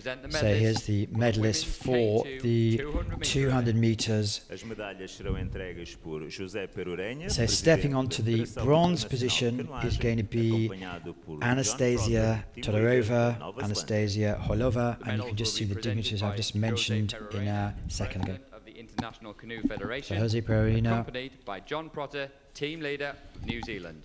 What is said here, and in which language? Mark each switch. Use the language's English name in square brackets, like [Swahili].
[English] So here's the medalist for the 200 meters. [Portuguese] As medalhas serão entregues por José Perurenha. [English] So stepping onto the bronze position is going to be Anastasia Todorova, Anastasia Holova, and you can just see the dignitaries I've just mentioned in a second ago. International Canoe Federation, Jose Pereira, accompanied by John Protter, team leader of New Zealand.